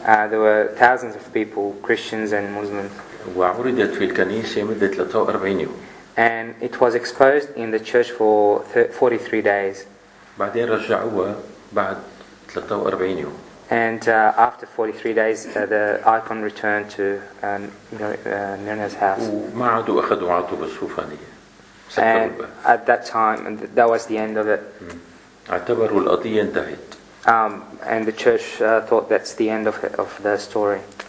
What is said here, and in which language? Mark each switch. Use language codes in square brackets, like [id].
[en] There were thousands of people, Christians and Muslims. [ar] وعرضت في الكنيسة مدة 43 يوم. [en] And it was exposed in the church for 43 days. [ar] بعدين رجعوها بعد 43 يوم. [en] And after 43 days, the icon returned to Mirna's house. [ar] وما عادوا أخذوا عطوا بالصوفانية. [en] And at that time, that was the end of it. [ar] اعتبروا القضية انتهت. [en] And the church thought that's the end of the story.